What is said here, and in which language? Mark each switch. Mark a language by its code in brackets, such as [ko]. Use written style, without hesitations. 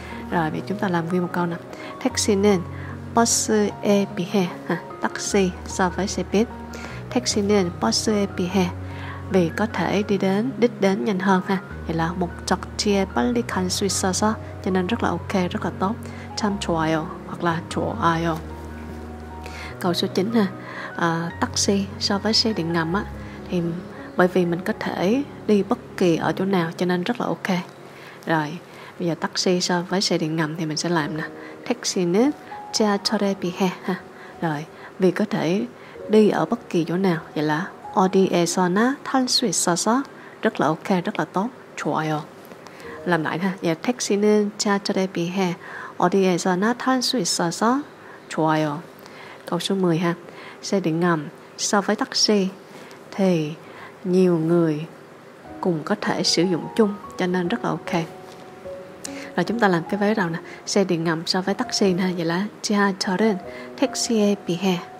[vi] Rồi vậy chúng ta làm nguyên một câu nè, [ko] taxi는 버스에 비해 [vi] ha, taxi so với xe buýt, taxi는 버스에 비해 vì có thể đi đến đích đến nhanh hơn ha, vậy là [ko] 목적지에 빨리 갈 수 있어서, [vi] cho nên rất là ok, rất là tốt. [ko] 참 좋아요 [vi] hoặc là [ko] 좋아요. [vi] Câu số 9 ha. Taxi so với xe điện ngầm á thì bởi vì mình có thể đi bất kỳ ở chỗ nào cho nên rất là ok. Rồi bây giờ taxi so với xe điện ngầm thì mình sẽ làm nè, [ko] taxi는 지하철에 비해 [vi] ha, Rồi, vì có thể đi ở bất kỳ chỗ nào, vậy là [ko] 어디에서나 탈 수 있어서 [vi] rất là ok, rất là tốt, 좋아요. Làm lại ha, giờ [ko] taxi는 차저에 비해 어디에서나 탈 수 있어서 좋아요. [vi] Câu số 10 ha, xe điện ngầm so với taxi thì nhiều người cùng có thể sử dụng chung, cho nên rất là ok. Rồi chúng ta làm cái vế đầu nè, xe điện ngầm so với taxi nè, vậy là [ko] 지하철은 택시에 비해.